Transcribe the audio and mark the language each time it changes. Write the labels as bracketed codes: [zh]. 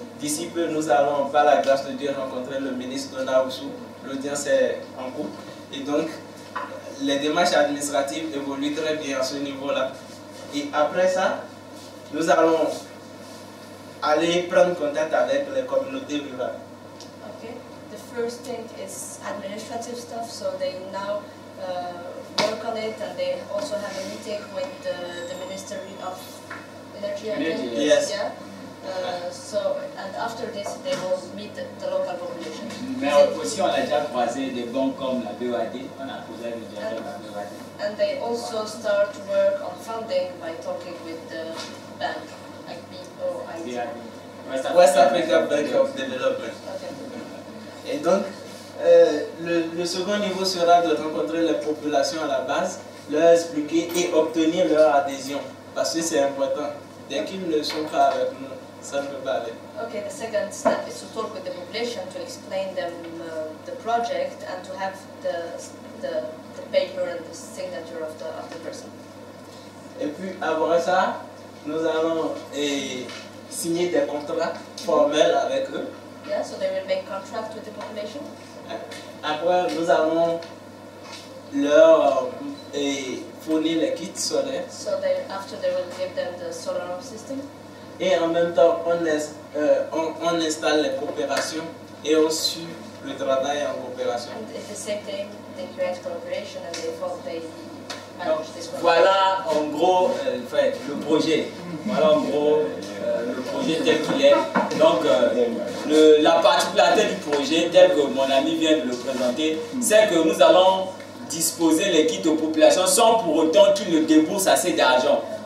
[fr] D'ici peu, nous allons, par la grâce de Dieu, rencontrer le ministre Donahoussou. L'audience est en cours. Et donc, les démarches administratives évoluent très bien à ce niveau-là. Et après ça, nous allons aller prendre contact avec les communautés rurales. [en] OK. The first thing is administrative stuff. So they now work on it, and they also have a meeting with the Ministry of Energy, yes. Yeah. So, and after this, they will meet the local population. [fr] Mais aussi, on a déjà croisé des banques comme la BOAD. On a posé le dialogue avec la BOAD. [en] And they also start to work on funding by talking with the bank, like BOID. Yeah. West Africa Bank of Development. Okay. [fr] Et donc, le second niveau sera de rencontrer les populations à la base, leur expliquer et obtenir leur adhésion, parce que c'est important. Dès qu'ils ne sont pas avec nous, ça ne peut pas aller. [en] Ok, the second step is to talk with the population, to explain them the project and to have the paper and the signature of the person. [fr] Et puis après ça, nous allons signer des contrats formels avec eux. [en] Yeah, so they will make contract with the population. [fr] Après, nous allons leur fournir les kits solaires. [en] So they, after they will give them the solar system. [fr] Et en même temps, on installe les coopérations et on suit le travail en coopération. [en] And it's the same thing, they create cooperation and they manage this project. [fr] Voilà en gros le projet. Voilà en gros le projet tel qu'il est. Donc, la particularité du projet, tel que mon ami vient de le présenter, c'est que nous allons disposer les kits aux populations sans pour autant qu'ils ne déboursent assez d'argent.